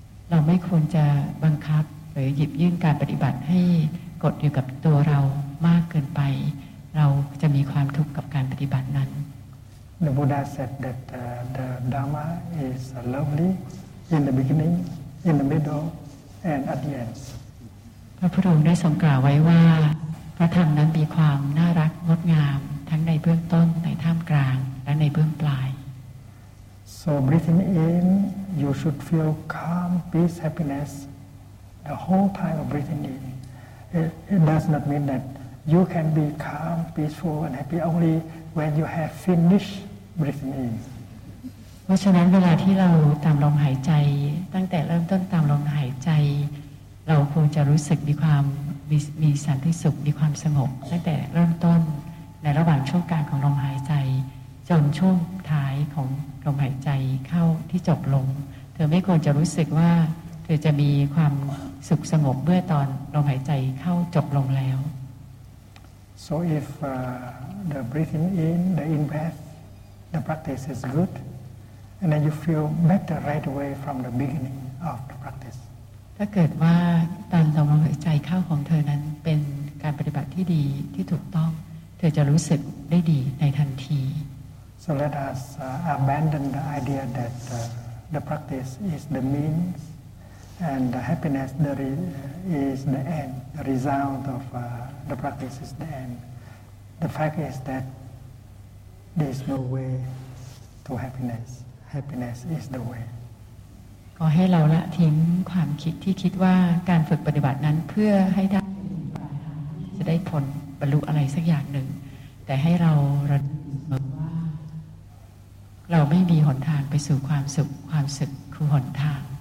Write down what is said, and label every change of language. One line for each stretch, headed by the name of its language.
Thai: เราไม่ควรจะบังคับหรือหยิบยื่นการปฏิบัติให้กดอยู่กับตัวเรามากเกินไปเราจะมีความทุกข์กับการปฏิบัตินั้น
English: The Buddha said that the Dharma is lovely in the beginning, in the middle, and at the end.
Thai: พระพุทธองค์ได้ทรงกล่าวไว้ว่าพระธรรมนั้นมีความน่ารักงดงามทั้งในเบื้องต้นในท่ามกลางและในเบื้องปลาย
English: So breathing in, you should feel calm, peace, happiness the whole time of breathing in. It does not mean that you can be calm, peaceful, and happy only when you have finished breathing in.
Thai: เพราะฉะนั้นเวลาที่เราตามลมหายใจตั้งแต่เริ่มต้นตามลมหายใจเราควรจะรู้สึกมีความมีสันติสุขมีความสงบตั้งแต่เริ่มต้นในระหว่างช่วงกลางของลมหายใจจนช่วงท้ายของลมหายใจเข้าที่จบลงเธอไม่ควรจะรู้สึกว่าเธอจะมีความสุขสงบเมื่อตอนลมหายใจเข้าจบลงแล้ว
English: So if the breathing in, the in-breath, the practice is good and then you feel better right away from the beginning of the practice
Thai: ถ้าเกิดว่าตอนลมหายใจเข้าของเธอนั้นเป็นการปฏิบัติที่ดีที่ถูกต้องเธอจะรู้สึกได้ดีในทันที
English: So let us abandon the idea that the practice is the meansAnd the happiness is the end. The result of the practice is the end. The fact is that there is no way to happiness. Happiness is the way.
Thai: ขอให้เราละทิ้งความคิดที่คิดว่าการฝึกปฏิบัตินั้นเพื่อให้ได้จะได้ผลบรรลุอะไรสักอย่างหนึ่งแต่ให้เราระลึกว่าเราไม่มีหนทางไปสู่ความสุขความสุขคือหนทาง